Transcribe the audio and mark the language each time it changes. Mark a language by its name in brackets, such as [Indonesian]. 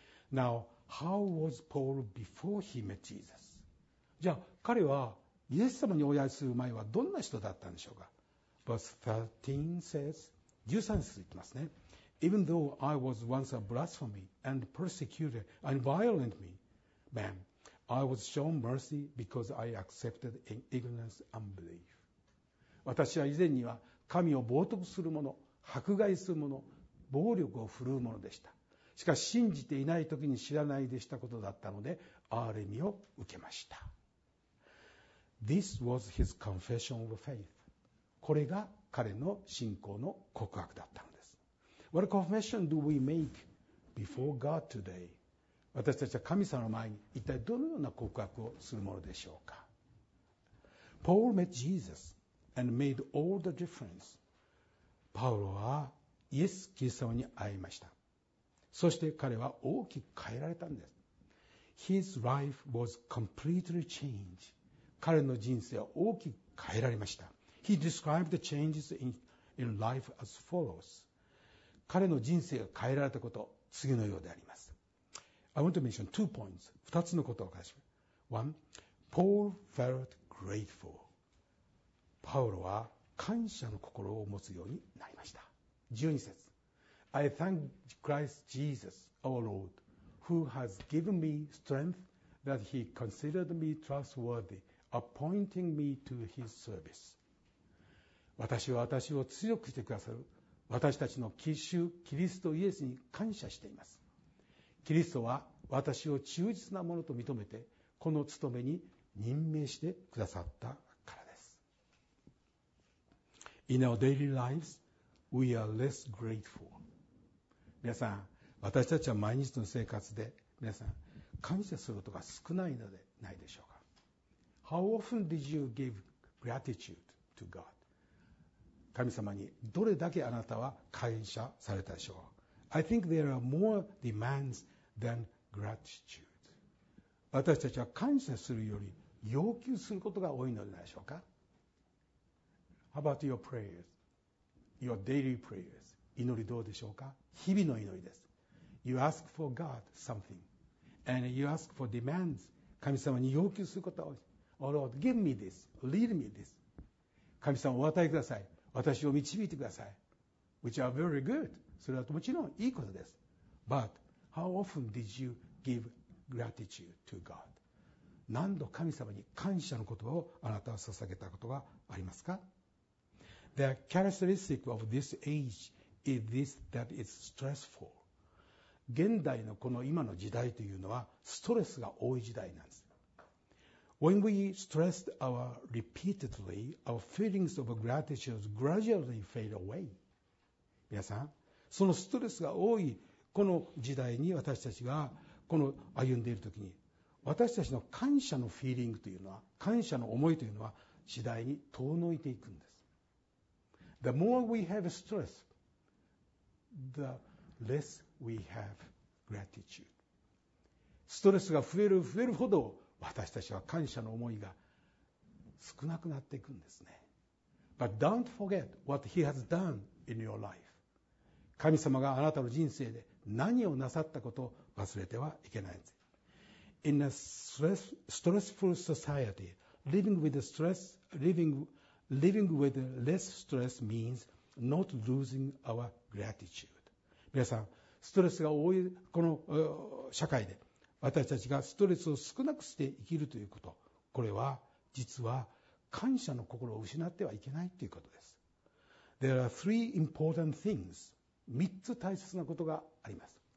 [English] Now, how was Paul before he met Jesus? [Japanese] じゃあ彼はイエス様にお会いする前はどんな人だったんでしょうか。 [English] Verse 13 says, [Japanese] 13節いきますね。 [English] Even though I was once a blasphemy and persecuted and violent man, I was shown mercy because I accepted ignorance and belief. [Japanese] 私は以前には神を冒涜する者、迫害する者、暴力を振るう者でした。しかし信じていない時に知らないでしたことだったので、憐れみを受けました。 [English] This was his confession of faith. [Japanese] これが彼の信仰の告白だったのです。 [English] What confession do we make before God today? [Japanese] 私たちは神様の前に一体どのような告白をするものでしょうか。 [English] Paul met Jesus and made all the difference. [Japanese] パウロはイエス・キリスト様に会いました。そして彼は大きく変えられたんです。 [English] His life was completely changed. [Japanese] 彼の人生は大きく変えられました。 [English] He described the changes in life as follows. [Japanese] 彼の人生が変えられたこと、次のようであります。 [English] I want to mention two points. [Japanese] 二つのことを話します。 [English] One, Paul felt grateful. [Japanese] パウロは感謝の心を持つようになりました。 12節。 [English] I thank Christ Jesus, our Lord, who has given me strength that he considered me trustworthy. Appointing me to his service. [Japanese] 私は私を強くしてくださる私たちの騎手キリストイエスに感謝しています。キリストは私を忠実なものと認めてこの務めに任命してくださったからです。 [English] In our daily lives, we are less grateful. [Japanese] 皆さん、私たちは毎日の生活で皆さん感謝することが少ないのでないでしょうか。 [English] How often did you give gratitude to God? [Japanese] 神様にどれだけあなたは感謝されたでしょう。 [English] I think there are more demands than gratitude. [Japanese] 私たちは感謝するより要求することが多いのではないでしょうか。 [English] How about your prayers? Your daily prayers. [Japanese] 祈りどうでしょうか。日々の祈りです。 [English] You ask for God something. And you ask for demands. [Japanese] 神様に要求することが多い。 [English] Oh Lord, give me this. Lead me this. [Japanese] 神様お与えください。私を導いてください。 [English] Which are very good. [Japanese] それはもちろんいいことです。 [English] But how often did you give gratitude to God? [Japanese] 何度神様に感謝の言葉をあなたは捧げたことがありますか? [English] The characteristic of this age is this that is stressful. [Japanese] 現代のこの今の時代というのはストレスが多い時代なんです。 [English] When we stressed our repeatedly, our feelings of gratitude gradually fade away. [Japanese] 皆さん、そのストレスが多いこの時代に私たちがこの歩んでいるときに、私たちの感謝のフィーリングというのは、感謝の思いというのは次第に遠のいていくんです。 [English] The more we have stress, the less we have gratitude. [Japanese] ストレスが増える増えるほど、私たちは感謝の思いが少なくなっていくんですね。 [English] But don't forget what he has done in your life. [Japanese] 神様があなたの人生で何をなさったことを忘れてはいけないんです。 [English] In a stressful society, living with less stress means not losing our gratitude. [Japanese] 皆さん、ストレスが多いこの社会で、私たちがストレスを少なくして生きるということ、これは実は感謝の心を失ってはいけないということです。 [English] There are three important things. [Japanese] 三つ大切なことがあります。